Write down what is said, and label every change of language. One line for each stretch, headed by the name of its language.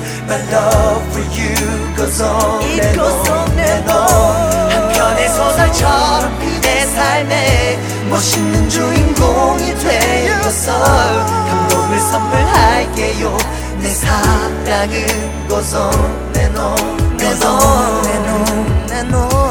English: My love for you goes on and on and on.
Korean: 한 편의 소설처럼 그대 삶의 멋있는 주인공이 되어서 감동을 선물할게요. 내 사랑은
English: goes on and on and on and on and on.